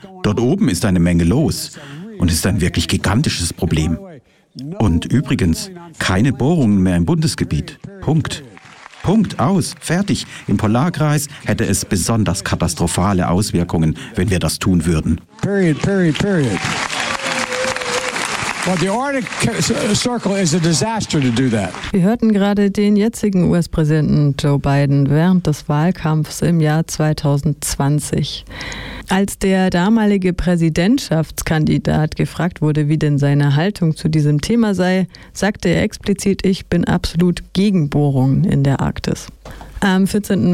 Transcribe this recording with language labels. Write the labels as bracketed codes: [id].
[de] Dort oben ist eine Menge los und ist ein wirklich gigantisches Problem. Und übrigens, keine Bohrungen mehr im Bundesgebiet. Punkt. Punkt, aus, fertig. Im Polarkreis hätte es besonders katastrophale Auswirkungen, wenn wir das tun würden. [en] Period, period, period. But the Arctic Circle is a disaster to do that. [de] Wir hörten gerade den jetzigen US-Präsidenten Joe Biden während des Wahlkampfs im Jahr 2020. Als der damalige Präsidentschaftskandidat gefragt wurde, wie denn seine Haltung zu diesem Thema sei, sagte er explizit, ich bin absolut gegen Bohrungen in der Arktis. Am 14.